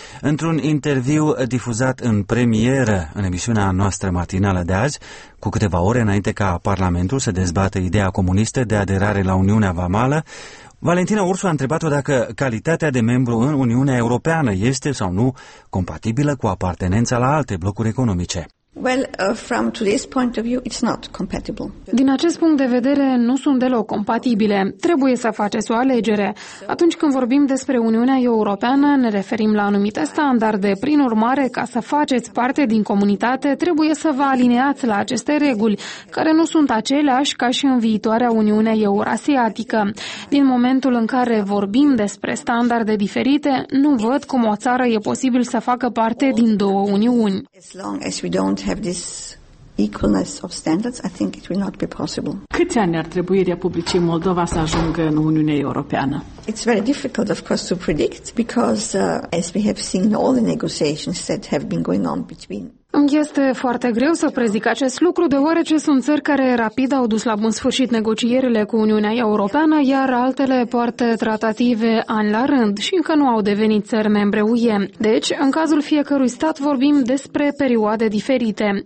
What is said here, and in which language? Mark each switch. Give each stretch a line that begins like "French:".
Romanian: Într-un interviu difuzat în premieră în emisiunea noastră matinală de azi, cu câteva ore înainte ca Parlamentul să dezbată ideea comunistă de aderare la Uniunea Vamală, Valentina Ursu a întrebat-o dacă calitatea de membru în Uniunea Europeană este sau nu compatibilă cu apartenența la alte blocuri economice.
English: Well, from today's point of view, it's not compatible.
Romanian: Din acest punct de vedere, nu sunt deloc compatibile. Trebuie să faceți o alegere. Atunci când vorbim despre Uniunea Europeană, ne referim la anumite standarde. Prin urmare, ca să faceți parte din comunitate, trebuie să vă alineați la aceste reguli, care nu sunt aceleași ca și în viitoarea Uniune Eurasiatică. Din momentul în care vorbim despre standarde diferite, nu văd cum o țară e posibil să facă parte din două uniuni.
English: Have this equalness of standards, I think it will not be possible.
Romanian: Câți ani ar trebui Republicii Moldova să ajungă în Uniunea Europeană?
English: It's very difficult, of course, to predict because as we have seen all the negotiations that have been going on between
Romanian: Este foarte greu să prezic acest lucru, deoarece sunt țări care rapid au dus la bun sfârșit negocierile cu Uniunea Europeană, iar altele poartă tratative ani la rând și încă nu au devenit țări membre UE. Deci, în cazul fiecărui stat, vorbim despre perioade diferite.